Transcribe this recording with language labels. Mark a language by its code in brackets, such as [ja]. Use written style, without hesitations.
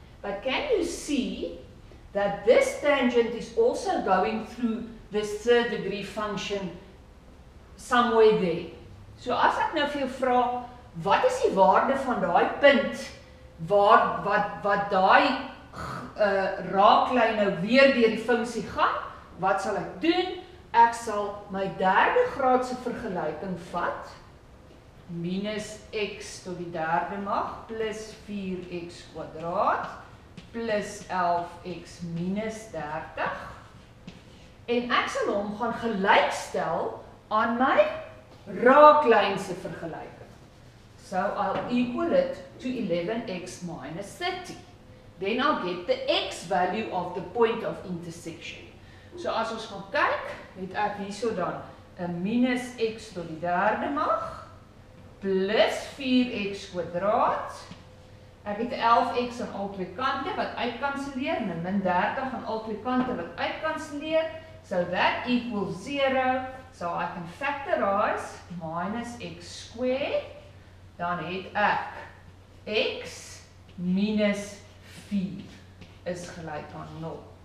[en] But can you see that this tangent is also going through this third degree function somewhere there. [af] So as ek nou vir jou vra, wat is die waarde van daai punt waar wat daai raaklyn nou weer deur die funksie gaan, wat sal ek doen? Ek sal my derde graadse vergelyking vat, minus x tot die derde mag, plus 4x kwadraat, plus 11x minus 30, en ek sal hom gaan gelykstel aan my raaklynse vergelyking. [en] So I'll equal it to 11x minus 30. Then I'll get the x value of the point of intersection. [af] So as ons gaan kyk, het ek hierso dan 'n minus x tot die derde mag, plus 4x kwadraat. Ek het 11x aan al twee kante wat uitkanselleer, en min 30 aan al twee kante wat uitkanselleer, [en] so that equals 0, so I can factorize minus x squared, [af] dan het ek x minus 4 is gelyk aan 0.